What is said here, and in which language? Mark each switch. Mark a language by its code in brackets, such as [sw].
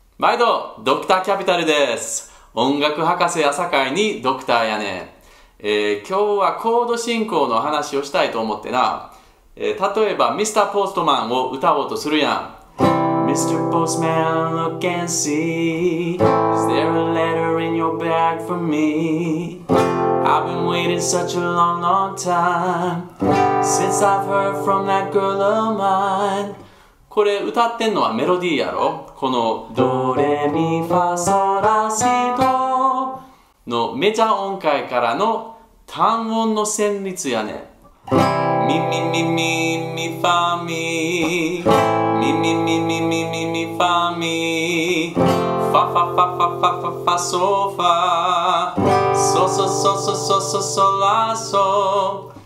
[ja] 毎度ドクターキャピタルです。音楽博士や坂井にドクターやね、今日はコード進行の話をしたいと思ってな、例えばミスターポストマンを歌おうとするやん。 [en] Mr. Postman, look and see. Is there a letter in your bag for me? I've been waiting such a long, long time since I've heard from that girl of mine. [ja] これ歌ってんのはメロディーやろ。このドレミファソラシドのメジャー音階からの単音の旋律やね。ミミミミミファミミミミミミミミファミファファファファファファファソファソソソソソソソラソ。